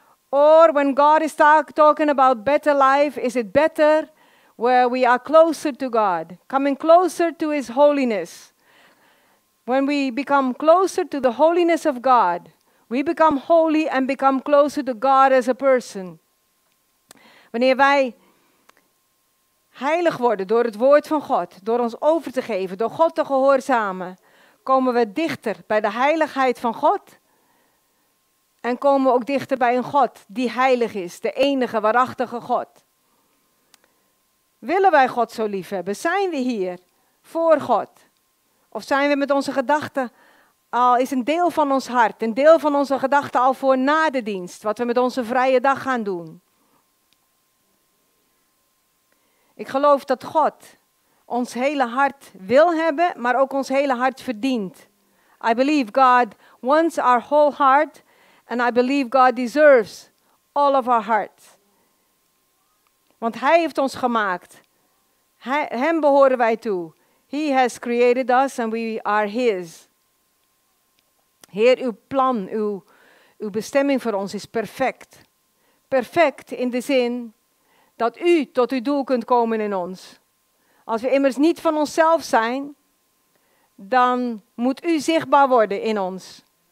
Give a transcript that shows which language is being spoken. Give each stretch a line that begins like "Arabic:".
English: Or when God is talking about better life, is it better where we are closer to God, coming closer to his holiness? When we become closer to the holiness of God, we become holy and become closer to God as a person.
Dutch: Wanneer wij heilig worden door het woord van God, door ons over te geven, door God te gehoorzamen, komen we dichter bij de heiligheid van God en komen we ook dichter bij een God die heilig is, de enige waarachtige God. Willen wij God zo lief hebben? Zijn we hier voor God? Of zijn we met onze gedachten al, is een deel van ons hart, een deel van onze gedachten al voor na de dienst, wat we met onze vrije dag gaan doen? Ik geloof dat God ons hele hart wil hebben, maar ook ons hele hart verdient.
English: I believe God wants our whole heart and I believe God deserves all of our heart.
Dutch: Want hij heeft ons gemaakt. Hem behoren wij toe.
English: He has created us and we are his.
Dutch: Heer, uw plan, uw bestemming voor ons is perfect. Perfect in de zin dat u tot uw doel kunt komen in ons. Als we immers niet van onszelf zijn, dan moet u zichtbaar worden in ons.